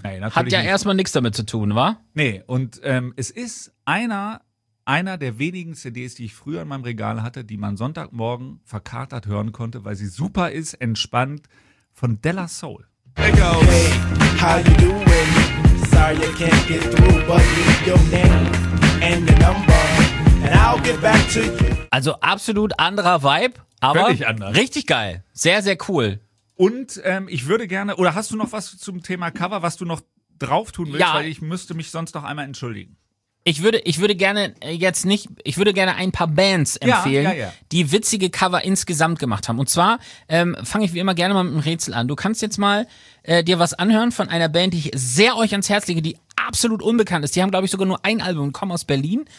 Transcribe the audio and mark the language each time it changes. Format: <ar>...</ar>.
<de>hat ja erstmal nichts damit zu tun, wa? Nee, und es ist einer der wenigen CDs, die ich früher in meinem Regal hatte, die man Sonntagmorgen verkatert hören konnte, weil sie super ist, entspannt, von De La Soul.</de> <en>Hey, how you doing? Sorry, I can't get through, but leave your name and your number and I'll get back to you.</en> <de>Also absolut anderer Vibe. Aber völlig anders. Richtig geil. Sehr, sehr cool. Und ich würde gerne, oder hast du noch was zum Thema Cover, was du noch drauf tun willst? Ja. Weil ich müsste mich sonst noch einmal entschuldigen. Ich würde gerne ein paar Bands empfehlen, ja, ja, ja, die witzige Cover insgesamt gemacht haben. Und zwar fange ich wie immer gerne mal mit einem Rätsel an. Du kannst jetzt mal dir was anhören von einer Band, die ich sehr euch ans Herz lege, die absolut unbekannt ist. Die haben, glaube ich, sogar nur ein Album, kommen aus Berlin.</de>